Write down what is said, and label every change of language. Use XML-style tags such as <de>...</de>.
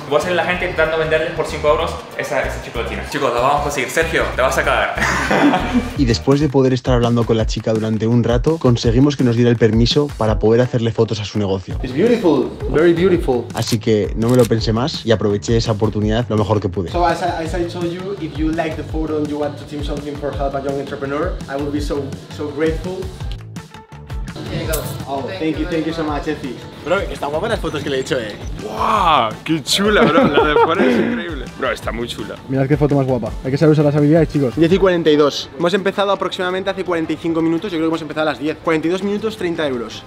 <es>Voy a hacer la gente intentando venderle por 5 euros esa chocolatina. Chicos, lo vamos a conseguir. Sergio, te vas a cagar. Y después de poder estar hablando con la chica durante un rato, conseguimos que nos diera el permiso para poder hacerle fotos a su negocio.</es> <en>It's beautiful, very beautiful.</en> <es>Así que no me lo pensé más y aproveché esa oportunidad lo mejor que pude.</es> <en>So as I told you, if you like the photo and you want to team something for help a young entrepreneur, I will be so grateful. Oh, thank you so much, Efi.</en> <es>Bro, está guapa las fotos que le he hecho, eh. ¡Wow! ¡Qué chula, bro! La de fuera es increíble. Bro, está muy chula. Mirad qué foto más guapa. Hay que saber usar las habilidades, chicos. 10:42. Hemos empezado aproximadamente hace 45 minutos. Yo creo que hemos empezado a las 10. 42 minutos, 30 euros.</es>